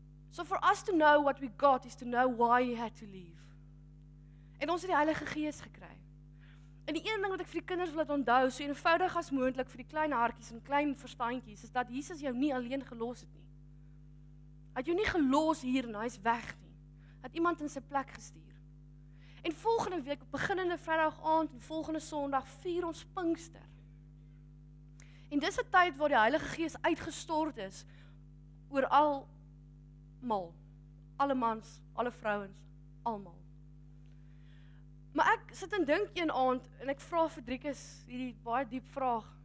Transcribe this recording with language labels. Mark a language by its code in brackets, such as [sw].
[en] So for us to know what we got is to know why he had to leave. [af] En ons het die Heilige Gees gekry. En die een ding wat ek vir die kinders wil onthou, so eenvoudig as moontlik vir die klein hartjies en klein verstandjies, is dat Jesus jou nie alleen gelos het nie. Hy het jou nie gelos hier en hy is weg nie. Hy het iemand in sy plek gestuur. En volgende week, beginnende Vrydag aand en volgende Sondag, vier ons Pinkster. En dis 'n tyd waar die Heilige Gees uitgestort is oor almal. Alle mans, alle vrouens, almal. Maar ek sit en dink een aand en ek vra vir Driekus hierdie baie diep vraag.